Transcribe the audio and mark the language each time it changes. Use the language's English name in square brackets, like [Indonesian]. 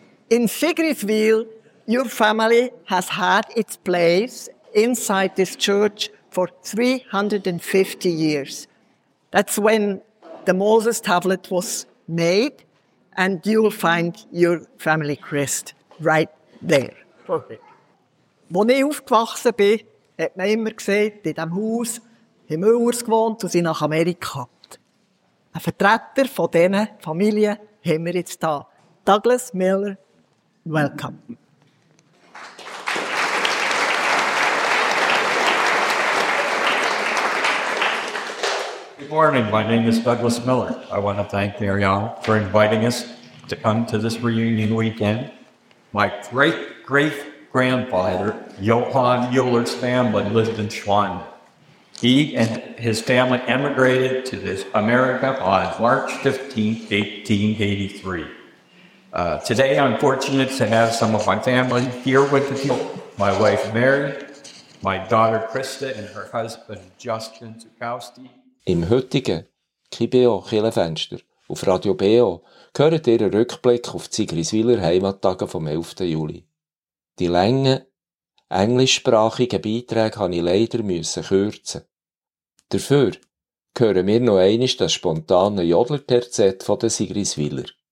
[English] In Sigridsville, your family has had its place inside this church for 350 years. That's when the Moses tablet was made, and you'll find your family crest right there. Perfect. [German] Als ich aufgewachsen bin, hat man immer gesagt, in diesem Haus in Müllers gewohnt und sind nach Amerika. Ein Vertreter von diesen Familien haben wir jetzt hier. [English] Douglas Miller, welcome. Good morning, my name is Douglas Miller. I want to thank Marianne for inviting us to come to this reunion weekend. My great-great-grandfather, Johann Euler's family, lived in Schwanden. He and his family emigrated to this America on March 15, 1883. Today, I'm fortunate to have some of my family here with me. My wife, Mary, my daughter, Krista, and her husband, Justin Zukowski. [German] Im heutigen KBO-Kirchenfenster auf Radio BO gehört ihr einen Rückblick auf die Sigriswiler Heimattage vom 11. Juli. Die langen englischsprachigen Beiträge musste ich leider kürzen. Dafür hören wir noch einmal das spontane Jodler-Terzett von den Sigriswiler.